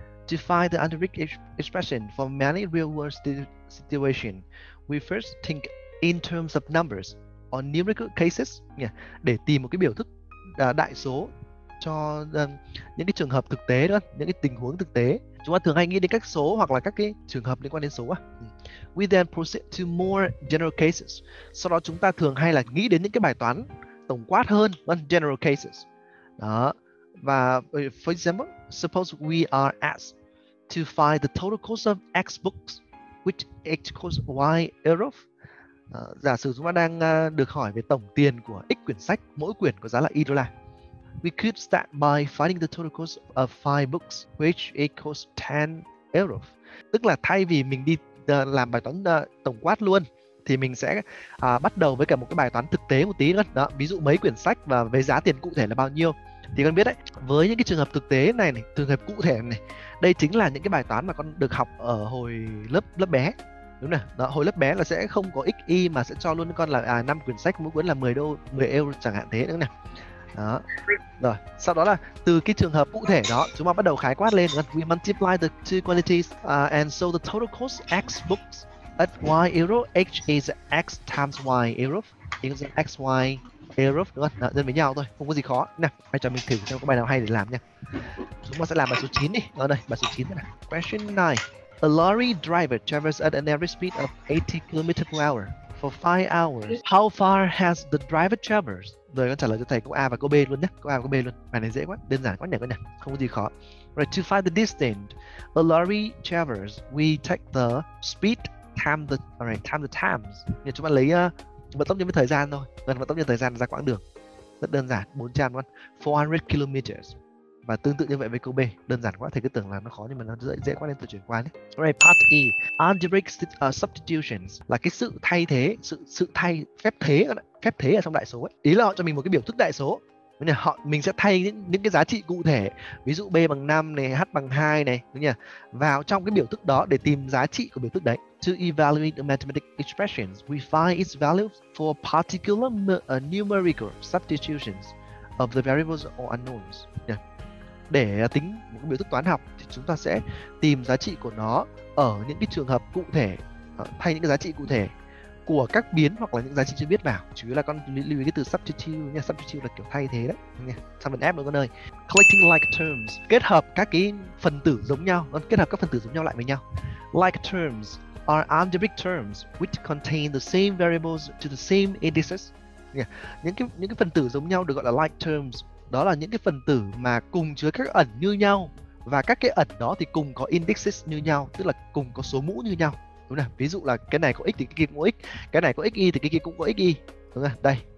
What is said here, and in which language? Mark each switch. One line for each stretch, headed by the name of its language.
English: To find the algebraic expression for many real world situations, we first think in terms of numbers or numerical cases,
Vietnamese: yeah, để tìm một cái biểu thức đại số cho những cái trường hợp thực tế đó, những cái tình huống thực tế. Chúng ta thường hay nghĩ đến các số hoặc là các cái trường hợp liên quan đến số.
English: We then proceed to more general cases.
Vietnamese: Sau đó chúng ta thường hay là nghĩ đến những cái bài toán tổng quát hơn, general cases. Đó.
English: Và for example, suppose we are asked to find the total cost of X books, which X cost Y euros.
Vietnamese: Giả sử chúng ta đang được hỏi về tổng tiền của x quyển sách, mỗi quyển có giá là y đô la.
English: We could start by finding the total cost of 5 books, which equals 10 euros.
Vietnamese: Tức là thay vì mình đi làm bài toán tổng quát luôn, thì mình sẽ bắt đầu với cả một cái bài toán thực tế một tí nữa. Đó, ví dụ mấy quyển sách và với giá tiền cụ thể là bao nhiêu. Thì con biết đấy, với những cái trường hợp thực tế này này, trường hợp cụ thể này, đây chính là những cái bài toán mà con được học ở hồi lớp bé. Đúng rồi, đó, hồi lớp bé là sẽ không có x, y mà sẽ cho luôn con là 5 quyển sách, mỗi quyển là 10 đô, 10 euro chẳng hạn thế nữa nè. Đó, rồi, sau đó là từ cái trường hợp cụ thể đó, chúng ta bắt đầu khái quát lên.
English: We multiply the two quantities and so the total cost x books at y euro, h is x times y euro, equals x y euro,
Vietnamese: đúng không? Đó, dân với nhau thôi, không có gì khó. Nè, hãy cho mình thử xem có bài nào hay để làm nha. Chúng ta sẽ làm bài số 9 đi, ở đây, bài số 9 nè. Question 9.
English: A lorry driver travels at an average speed of 80 km per hour for 5 hours. How far has the driver traveled?
Vietnamese: Rồi con trả lời cho thầy câu A và câu B luôn nhé. Câu A và câu B luôn. Bài này dễ quá, đơn giản quá nhỉ con nhỉ. Không có gì khó.
English: Right, to find the distance a lorry travels, we take the speed times the times.
Vietnamese: Nhưng chúng ta lấy vận tốc nhân với thời gian thôi. Gần vận tốc nhân thời gian ra quãng đường. Rất đơn giản, 400 con. 400 km. Và tương tự như vậy với câu B, đơn giản quá, thầy cứ tưởng là nó khó nhưng mà nó dễ quá nên tôi chuyển qua nhé. Right, part E, algebraic substitutions là cái sự thay thế, sự thay phép thế ở trong đại số ấy. Ý là họ cho mình một cái biểu thức đại số. Họ mình sẽ thay những cái giá trị cụ thể, ví dụ B bằng 5 này, H bằng 2 này, đúng nhỉ? Vào trong cái biểu thức đó để tìm giá trị của biểu thức đấy.
English: To evaluate the mathematical expressions, we find its value for particular numerical substitutions of the variables or unknowns. Yeah.
Vietnamese: Để tính một biểu thức toán học thì chúng ta sẽ tìm giá trị của nó ở những cái trường hợp cụ thể, thay những cái giá trị cụ thể của các biến hoặc là những giá trị chưa biết vào. Chủ yếu là con lưu ý cái từ substitute nha. Substitute là kiểu thay thế đấy. Sang phần F nữa con ơi. Collecting like terms, kết hợp các cái phần tử giống nhau, kết hợp các phần tử giống nhau lại với nhau.
English: Like terms are algebraic terms which contain the same variables to the same indices.
Vietnamese: Những cái phần tử giống nhau được gọi là like terms. Đó là những cái phần tử mà cùng chứa các ẩn như nhau và các cái ẩn đó thì cùng có indices như nhau, tức là cùng có số mũ như nhau. Đúng không? Ví dụ là cái này có x thì cái kia cũng có x, cái này có xy thì cái kia cũng có xy. Đúng không? Đây.